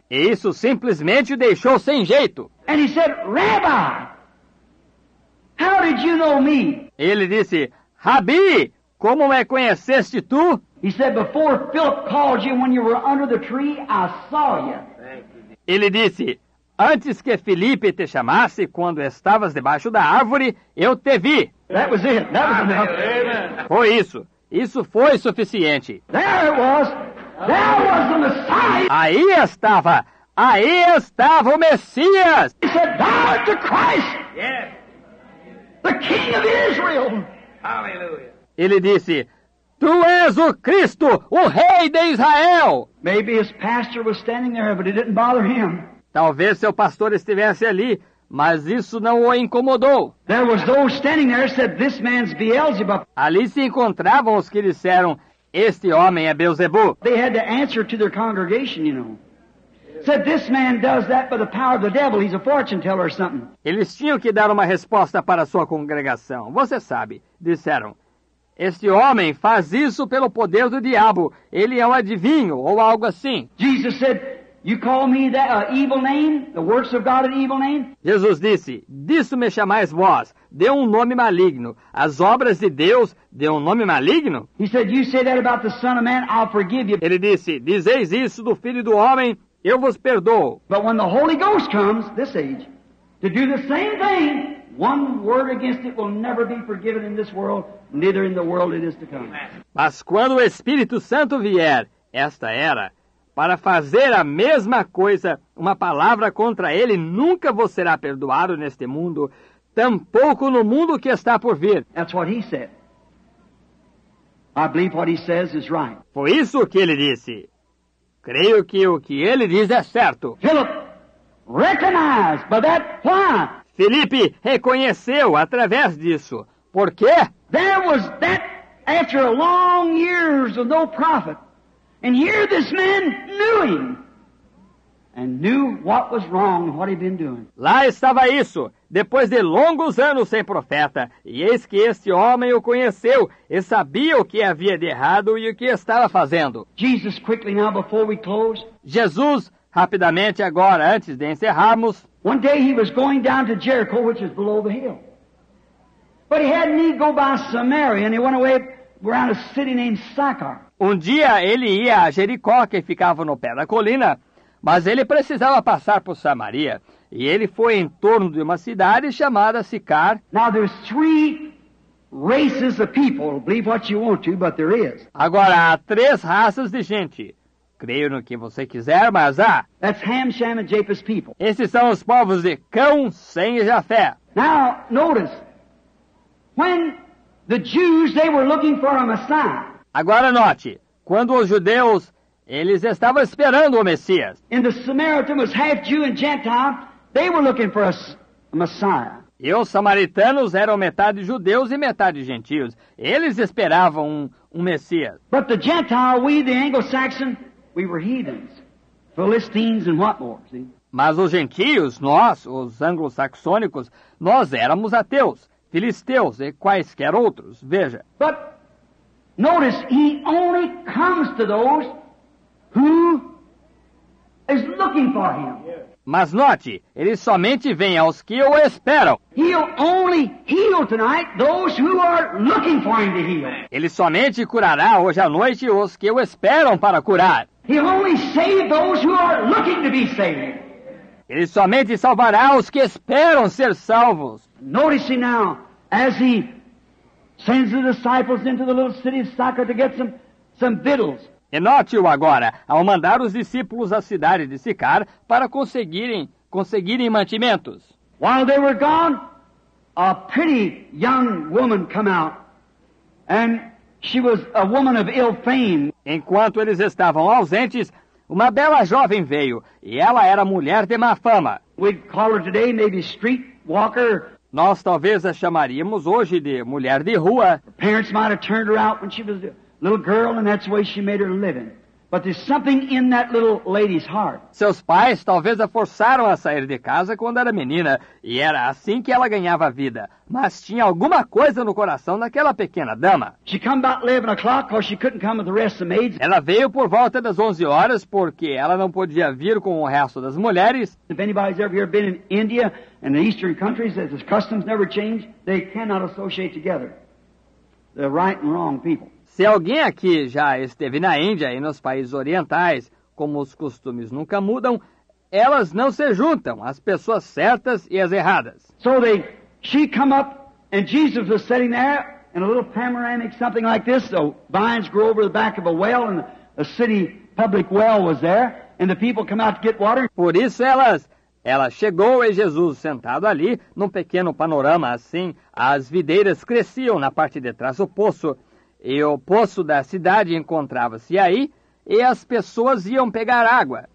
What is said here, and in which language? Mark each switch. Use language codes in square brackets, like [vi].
[pt] E isso simplesmente o deixou sem jeito. [en] And he said, "Rabbi, how did you know me?" [pt] Ele disse: "Rabi, como me conheceste tu?" [en] He said, "Before Philip called you when you were under the tree, I saw you." [pt] Ele disse: "Antes que Felipe te chamasse, quando estavas debaixo da árvore, eu te vi." [en] That was it. That was enough. [pt] Foi isso. Isso foi suficiente. [en] There it was. There was the Messiah. [pt] Aí estava. Aí estava o Messias. [en] He said, "Thou art the Christ." Yes. "The King of Israel." Hallelujah. [pt] Ele disse: "Tu és o Cristo, o Rei de Israel." [en] Maybe his pastor was standing there, but it didn't bother him. [pt] Talvez seu pastor estivesse ali, mas isso não o incomodou. [en] There was those standing there said, "This man's Beelzebub." [pt] Ali se encontravam os que disseram: "Este homem é Beelzebu." [en] They had to answer to their congregation, you know. Said, "This man does that by the power of the devil. He's a fortune teller or something." [pt] Eles tinham que dar uma resposta para sua congregação. Você sabe, disseram: "Este homem faz isso pelo poder do diabo. Ele é um adivinho ou algo assim." [en] Jesus said, "You call me that evil name, the works of God an evil name?" [pt] Jesus disse: "Disso me chamais vós, de um nome maligno, as obras de Deus, de um nome maligno?" [en] He said, "You say that about the Son of Man, I'll forgive you." [pt] Ele disse: "Dizeis isso do Filho do Homem, eu vos perdoo." [en] But when the Holy Ghost comes, this age, to do the same thing, one word against it will never be forgiven in this world, neither in the world it is to come. [pt] Mas quando o Espírito Santo vier, esta era, para fazer a mesma coisa, uma palavra contra ele nunca vos será perdoado neste mundo, tampouco no mundo que está por vir. [en] That's what he said. I believe what he says is right. [pt] Foi isso que ele disse. Creio que o que ele diz é certo. [en] Philip recognized by that why? [pt] Felipe reconheceu através disso. Por quê? [en] There was that after long years of no prophet. And here this man knew him and knew what was wrong, what he'd been doing. [pt] Lá estava isso, depois de longos anos sem profeta, e eis que este homem o conheceu e sabia o que havia de errado e o que estava fazendo. [en] Jesus, quickly now before we close. [pt] Jesus, rapidamente agora, antes de encerrarmos. [en] One day he was going down to Jericho, which is below the hill. But he had need go by Samaria and he went away around a city named Sychar. [pt] Um dia ele ia a Jericó, que ficava no pé da colina, mas ele precisava passar por Samaria. E ele foi em torno de uma cidade chamada Sicar. [en] Now there's three races of people. Believe what you want to, but there is. [pt] Agora, há três raças de gente. creio no que você quiser, mas há. [en] That's Ham, Shem and Japheth's people. [pt] Esses são os povos de Cão, Sem e Jafé. [en] Now, notice, when the Jews, they were looking for a Messiah. [pt] Agora note, quando os judeus, eles estavam esperando o Messias. [en] And the Samaritan was half Jew and Gentile, they were looking for a Messiah. [pt] E os samaritanos eram metade judeus e metade gentios. Eles esperavam um Messias. [en] But the Gentile, we, the Anglo-Saxon, we were heathens. Philistines and what more, see? [pt] Mas os gentios, nós, os anglo-saxônicos, nós éramos ateus, filisteus e quaisquer outros. Veja. [en] But notice, he only comes to those who is looking for him. [pt] Mas note, ele somente vem aos que o esperam. [en] He'll only heal tonight those who are looking for him to heal. [pt] Ele somente curará hoje à noite os que o esperam para curar. [en] He'll only save those who are looking to be saved. [pt] Ele somente salvará os que esperam ser salvos. [en] Notice now, as he sends the disciples into the little city of Sychar to get some victuals. [pt] E note-o agora, ao mandar os discípulos à cidade de Sicar para conseguirem mantimentos. [en] While they were gone, a pretty young woman came out, and she was a woman of ill fame. [pt] Enquanto eles estavam ausentes, uma bela jovem veio, e ela era mulher de má fama. [en] We'd call her today maybe street walker. [pt] Nós talvez a chamaríamos hoje de mulher de rua. [en] Her parents might have turned her out when she was little girl, and that's the way she made her living. But there's something in that little lady's heart. [pt] Seus pais talvez a forçaram a sair de casa quando era menina, e era assim que ela ganhava a vida. Mas tinha alguma coisa no coração daquela pequena dama. [en] She come about 11 o'clock, cause she couldn't come with the rest of the maids. [pt] Ela veio por volta das 11 horas, porque ela não podia vir com o resto das mulheres. [en] If anybody's ever been in India and the eastern countries, as its customs never change, they cannot associate together. The right and wrong people. [pt] Se alguém aqui já esteve na Índia e nos países orientais, como os costumes nunca mudam, elas não se juntam, as pessoas certas e as erradas. [en] So they, she come up and Jesus was sitting there in a little panoramic something like this. So vines grew over the back of a well and a city public well was there and the people come out to get water. [pt] Por isso ela chegou e Jesus sentado ali num pequeno panorama assim, as videiras cresciam na parte de trás do poço. E o poço da cidade encontrava-se aí, e as pessoas iam pegar água.